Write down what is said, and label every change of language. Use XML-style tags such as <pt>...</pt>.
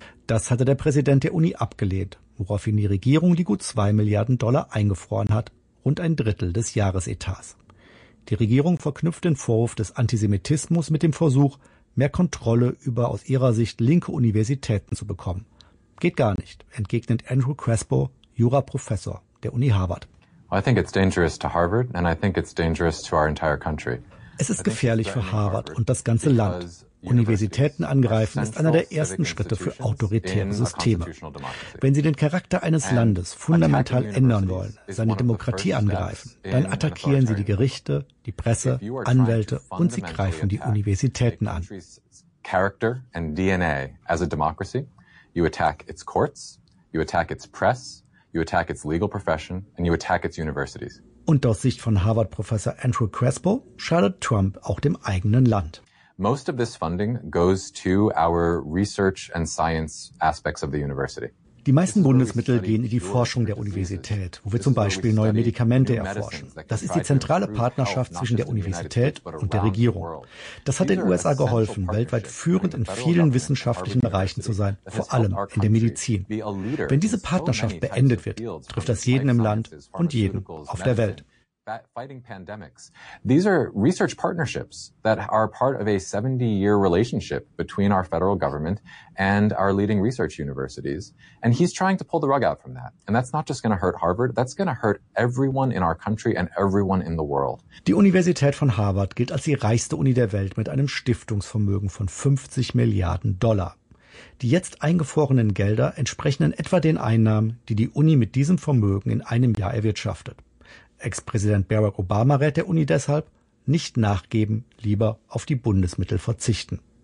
<de>Das hatte der Präsident der Uni abgelehnt, woraufhin die Regierung die gut 2 Milliarden Dollar eingefroren hat, rund ein Drittel des Jahresetats. Die Regierung verknüpft den Vorwurf des Antisemitismus mit dem Versuch, mehr Kontrolle über aus ihrer Sicht linke Universitäten zu bekommen. Geht gar nicht, entgegnet Andrew Crespo, Juraprofessor der Uni Harvard.</de> <en>I think it's dangerous to Harvard and I think it's dangerous to our entire country.</en> <de>Es ist gefährlich für Harvard und das ganze Land. Universitäten angreifen ist einer der ersten Schritte für autoritäre Systeme. Wenn Sie den Charakter eines Landes fundamental ändern wollen, seine Demokratie angreifen, dann attackieren Sie die Gerichte, die Presse, Anwälte und Sie greifen die Universitäten an.</de> <en>Character and DNA as a democracy. You attack its courts, you attack its press, you attack its legal profession and you attack its universities.</en> <de>Und aus Sicht von Harvard-Professor Andrew Crespo schadet Trump auch dem eigenen Land.</de> <en>Most of this funding goes to our research and science aspects of the university.</en> <de>Die meisten Bundesmittel gehen in die Forschung der Universität, wo wir zum Beispiel neue Medikamente erforschen. Das ist die zentrale Partnerschaft zwischen der Universität und der Regierung. Das hat den USA geholfen, weltweit führend in vielen wissenschaftlichen Bereichen zu sein, vor allem in der Medizin. Wenn diese Partnerschaft beendet wird, trifft das jeden im Land und jeden auf der Welt.</de> <en>fighting pandemics. These are research partnerships that are part of a 70-year relationship between our federal government and our leading research universities. And he's trying to pull the rug out from that. And that's not just going to hurt Harvard. That's going to hurt everyone in our country and everyone in the world.</en> <de>Die Universität von Harvard gilt als die reichste Uni der Welt mit einem Stiftungsvermögen von 50 Milliarden Dollar. Die jetzt eingefrorenen Gelder entsprechen in etwa den Einnahmen, die die Uni mit diesem Vermögen in einem Jahr erwirtschaftet. Ex-Präsident Barack Obama rät der Uni deshalb, nicht nachgeben, lieber auf die Bundesmittel verzichten.</de>